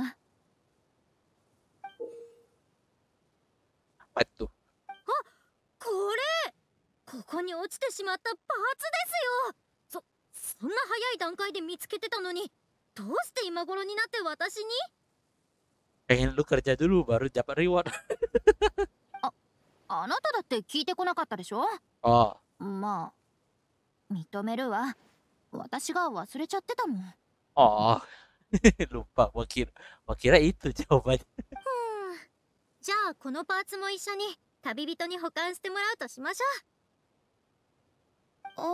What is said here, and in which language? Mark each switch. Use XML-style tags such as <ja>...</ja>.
<ja>あ、これ、ここに落ちてしまったパーツですよ。そんな早い段階で見つけてたのに、どうして今頃になって私に。</ja> <id>Pengen lu kerja dulu baru dapat reward.</id> <ja>あなただって聞いてこなかったでしょ。ああ、まあ認めるわ、私が忘れちゃってたもん。</ja> <id>ああ、lupa. Wakira itu jawabannya.</id> <ja>じゃあこのパーツも一緒に旅人に保管してもらうとしましょう。</ja>